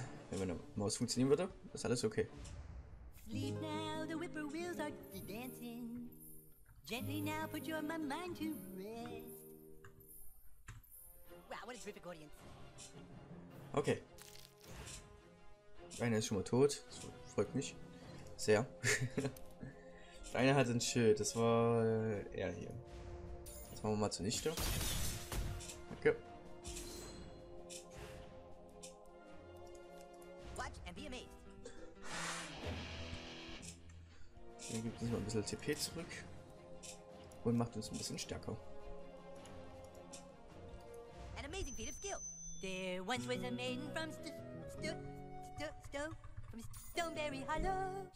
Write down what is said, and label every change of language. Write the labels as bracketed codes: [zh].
[de] Wenn meine Maus funktionieren würde, ist alles okay. [en] Sleep now, the whippoorwills are dancing. Gently now, put your mind to rest. Wow, what a terrific audience. [de] Okay. Steiner ist schon mal tot, das freut mich sehr. Steiner hat ein Schild, das war er hier. Das machen wir mal zunichte. Danke. [en] Watch and be amazed. [de] Dann gibt uns mal ein bisschen TP zurück und macht uns ein bisschen stärker. [en] An amazing feat of skill. There once was a maiden from from Stoneberry Hollow.